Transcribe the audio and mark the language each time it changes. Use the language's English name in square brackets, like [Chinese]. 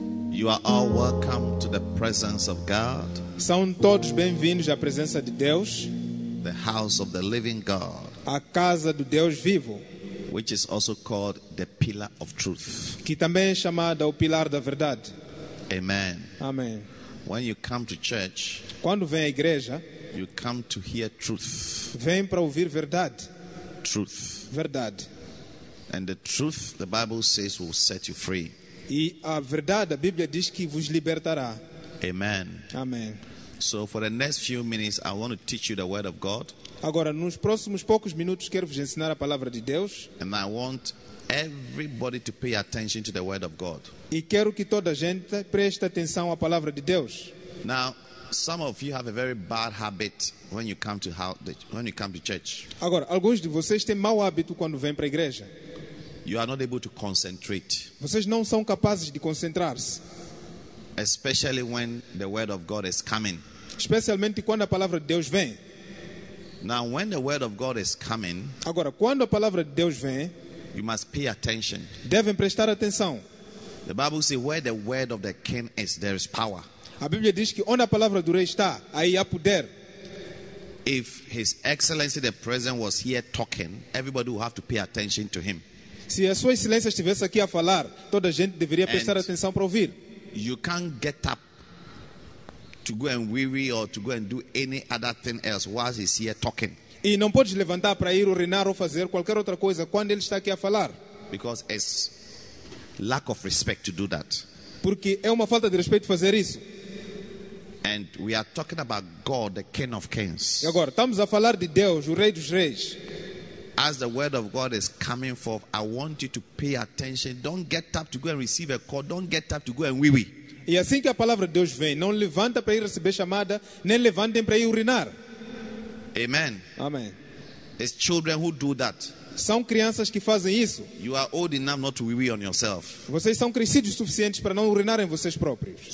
[English] You are all welcome to the presence of God. [Portuguese] São todos bem-vindos à presença de Deus. [English] The house of the living God. [Portuguese] A casa do Deus vivo. [English] Which is also called the pillar of truth. [Portuguese] Que também é chamada o pilar da verdade. [English] Amen. [Portuguese] Amém. [English] When you come to church, [Portuguese] quando vem à igreja, [English] you come to hear truth. [Portuguese] Vem para ouvir verdade. [English] Truth. [Portuguese] Verdade. [English] And the truth, the Bible says, will set you free. [Portuguese] E a verdade, a Bíblia diz que vos libertará. [English] Amen. [Portuguese] Amen. [English] So for the next few minutes, I want to teach you the word of God. [Portuguese] Agora, nos próximos poucos minutos, quero vos ensinar a palavra de Deus. [English] And I want everybody to pay attention to the word of God. [Portuguese] E quero que toda a gente preste atenção à palavra de Deus. [English] Now, some of you have a very bad habit when you come to church. [Portuguese] Agora, alguns de vocês têm mau hábito quando vêm para a igreja. [English] You are not able to concentrate. [Portuguese] Vocês não são capazes de concentrar-se. [English] Especially when the word of God is coming. [Portuguese] Especialmente quando a palavra de Deus vem. [English] Now, when the word of God is coming, [Portuguese] agora, quando a palavra de Deus vem, [English] you must pay attention. [Portuguese] Devem prestar atenção. [English] The Bible says, "Where the word of the King is, there is power." [Portuguese] A Bíblia diz que onde a palavra do rei está, aí há poder. [English] If His Excellency the President was here talking, everybody would have to pay attention to him. [Portuguese] Se a sua excelência estivesse aqui a falar, toda a gente deveria prestar atenção para ouvir. [English] You can't get up to go and weary or to go and do any other thing else while he's here talking. [Portuguese] E não podes levantar para ir urinar ou fazer qualquer outra coisa quando ele está aqui a falar. [English] Because it's lack of respect to do that. [Portuguese] Porque é uma falta de respeito fazer isso. [English] And we are talking about God, the King of Kings. [Portuguese] E agora estamos a falar de Deus, o Rei dos Reis. [English] As the word of God is coming forth, I want you to pay attention. Don't get up to go and receive a call. Don't get up to go and wee wee. [Portuguese] E assim que a palavra de Deus vem, não levanta para ir receber chamada, nem levantem para ir urinar. [English] Amen. [Portuguese] Amen. [English] It's children who do that. [Portuguese] São crianças que fazem isso. [English] You are old enough not to wee wee on yourself. [Portuguese] Vocês são crescidos suficientes para não urinar em vocês próprios.